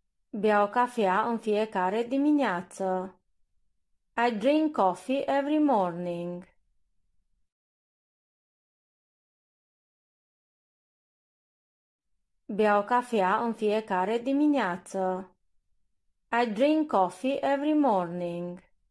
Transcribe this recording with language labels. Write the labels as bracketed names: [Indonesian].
[Romanian] Beau cafea în fiecare dimineață. [English] I drink coffee every morning. [Romanian] Beau cafea în fiecare dimineață. [English] I drink coffee every morning.